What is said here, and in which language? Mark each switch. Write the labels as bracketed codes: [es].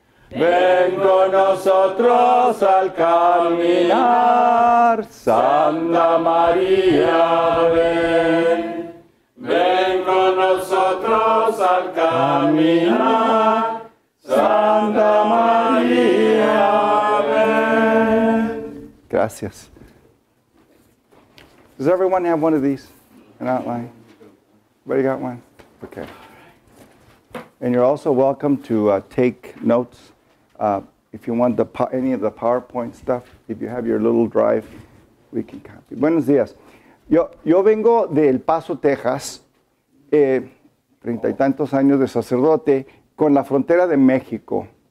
[es] Ven con nosotros al caminar, Santa María, ven. Ven con nosotros al caminar, Santa María. Gracias. [en] Does everyone have one of these? An outline? Everybody got one? Okay. And you're also welcome to take notes. If you want any of the PowerPoint stuff, if you have your little drive, we can copy. [es] Buenos días. Yo vengo de El Paso, Texas, treinta y tantos años de sacerdote, con la frontera de México.